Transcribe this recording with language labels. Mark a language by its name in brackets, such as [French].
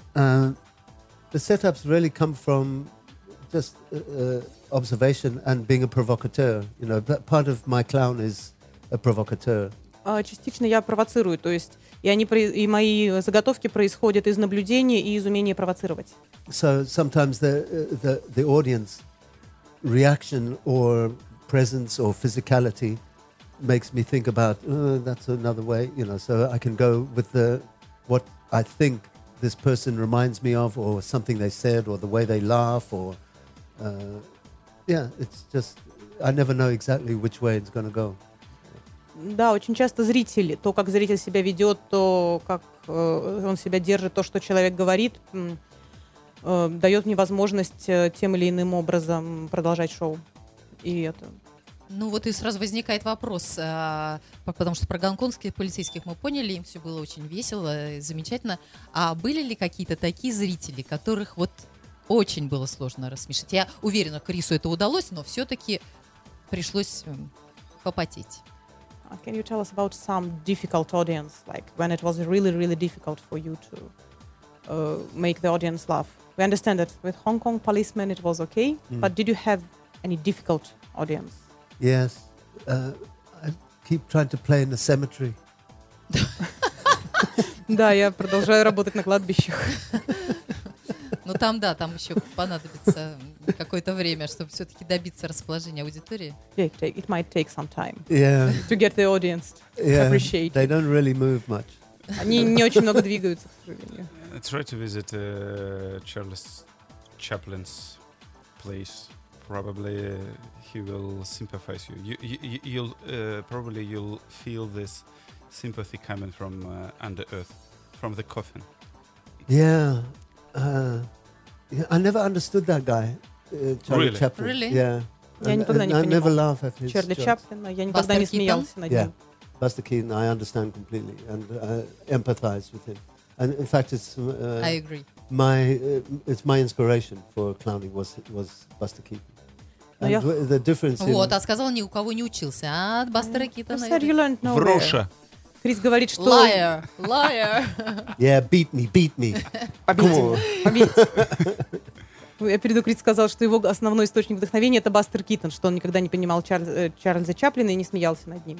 [English] The setups really come from just observation and being a provocateur. You know, that part of my clown is a provocateur. [Russian] Частично я провоцирую, то есть и мои заготовки происходят из наблюдения и из умения провоцировать. [English] So sometimes the audience reaction or presence or physicality makes me think about that's another way, you know, so I can go with the what I think this person reminds me of, or something they said, or the way they laugh, or it's just I never know exactly which way it's going to go. [Russian] Да, очень часто зрители, то, как зритель себя ведет, то, как он себя держит, то, что человек говорит, дает мне возможность тем или иным образом продолжать шоу. И это... Ну вот и сразу возникает вопрос, потому что про гонконгских полицейских мы поняли, им все было очень весело, замечательно. А были ли какие-то такие зрители, которых вот очень было сложно рассмешить? Я уверена, Крису это удалось, но все-таки пришлось попотеть. [English] Can you tell us about some difficult audience, like when it was really, really difficult for you to make the audience laugh? We understand that with Hong Kong policemen it was okay, but did you have any difficult audience? Yes. I keep trying to play in the cemetery. [Russian] Да, я продолжаю работать на кладбищах. Ну там, да, там еще понадобится какое-то время, чтобы все-таки добиться расположения аудитории. [English] Yeah, it might take some time. Yeah. To get the audience appreciate. They don't really move much. [Russian] Они не очень много двигаются, к сожалению. [English] Try to visit Charles Chaplin's place. Probably he will sympathize you. You'll feel this sympathy coming from under earth, from the coffin. Yeah. I never understood that guy, Charlie really? Chaplin. Really? Yeah. I never laugh at his Charlie jokes. [Russian] Chaplin, но я никогда не смеялся над ним. [English] Yeah. Buster Keaton, I understand completely and I empathize with him. And in fact, it's I agree. It's my inspiration for clowning was Buster Keaton. The difference. [Russian] Вот, а сказал, ни у кого не учился, а от Бастера Китона. [English] You learned no. [Russian] Вруша. Крис говорит, что... [English] Liar. Yeah, beat me. [Russian] Побить. Я перейду, Крис сказал, что его основной источник вдохновения — это Бастер Китон, что он никогда не понимал Чарльза Чаплина и не смеялся над ним.